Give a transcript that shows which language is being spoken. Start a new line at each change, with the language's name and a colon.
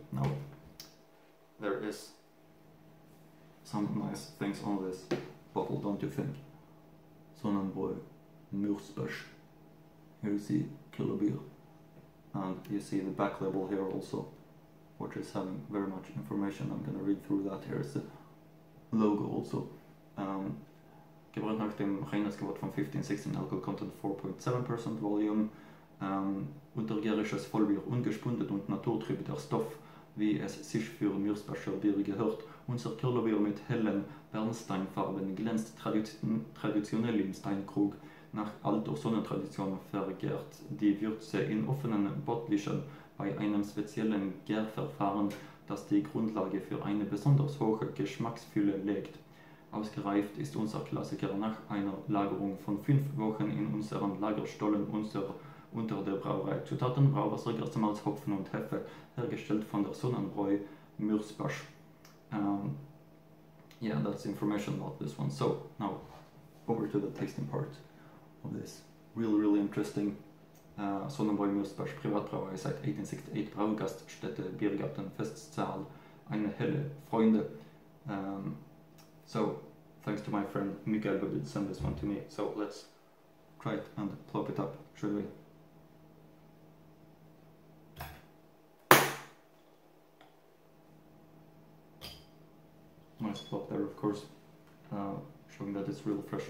English: Now, there is some nice things on this bottle, don't you think? Sonnenbräu Mürsbach. Here you see Kellerbier. And you see the back label here also, which is having very much information. I'm gonna read through that. Here is the logo also.
German: Gebraut nach dem Reinheitsgebot von 1516,
English: alcohol content 4.7% volume.
German: Untergärisches Vollbier, ungespundet und naturtrüb, der Stoff, wie es sich für Mürsbacher Bier gehört. Unser Kellerbier mit hellen Bernsteinfarben glänzt traditionell im Steinkrug. Nach alter Sonnentradition vergärt die Würze in offenen Bottlischen bei einem speziellen Gärverfahren, das die Grundlage für eine besonders hohe Geschmacksfülle legt. Ausgereift ist unser Klassiker nach einer Lagerung von 5 Wochen in unseren Lagerstollen unter der Brauerei. Zutaten: Brauwasser, Gerstenmalz, Hopfen und Hefe, hergestellt von der Sonnenbräu Mürsbach.
English: Yeah, that's the information about this one. So, now, over to the tasting part of this. Really, really interesting.
German: Sonnenbräu Mürsbach, Privatbrauerei seit 1868, Braugaststätte, Biergarten, Festsaal, eine helle Freunde.
English: So thanks to my friend Miguel who did send this one to me. So let's try it and plop it up, should we? Nice plop there, of course, showing that it's real fresh.